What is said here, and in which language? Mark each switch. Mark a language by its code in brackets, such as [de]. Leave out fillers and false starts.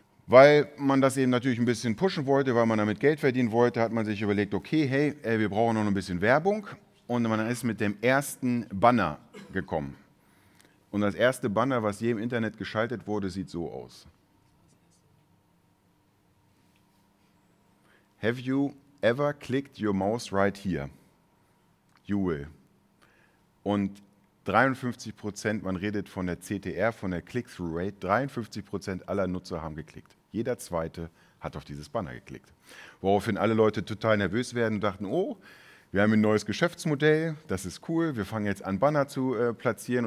[de] Weil man das eben natürlich ein bisschen pushen wollte, weil man damit Geld verdienen wollte, hat man sich überlegt, okay, hey, wir brauchen noch ein bisschen Werbung. Und man ist mit dem ersten Banner gekommen. Und das erste Banner, was je im Internet geschaltet wurde, sieht so aus. [en] Have you ever clicked your mouse right here? You will. [de] Und 53%, man redet von der CTR, von der Click-Through-Rate, 53% aller Nutzer haben geklickt. Jeder zweite hat auf dieses Banner geklickt. Woraufhin alle Leute total nervös werden und dachten, oh, wir haben ein neues Geschäftsmodell, das ist cool, wir fangen jetzt an, Banner zu platzieren.